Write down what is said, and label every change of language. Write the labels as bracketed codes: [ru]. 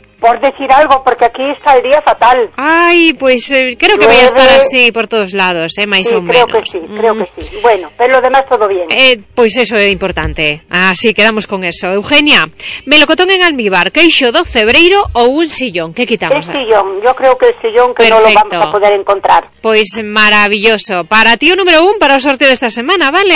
[es] Por decir algo, porque aquí está el día fatal. Ay, pois, creo que voy a estar así por todos lados, máis sí, [gl] ou menos. [es] Sí, creo que sí, creo que sí. Bueno, pero lo demás todo bien. [gl] Pois eso é importante. Así, quedamos con eso. Eugenia, melocotón en almíbar, queixo do cebreiro ou un sillón? Que quitamos? [es] El sillón, yo creo que el sillón que perfecto. No lo vamos a poder encontrar. [gl] Pois maravilloso. Para ti o número un para o sorteo desta semana, ¿vale?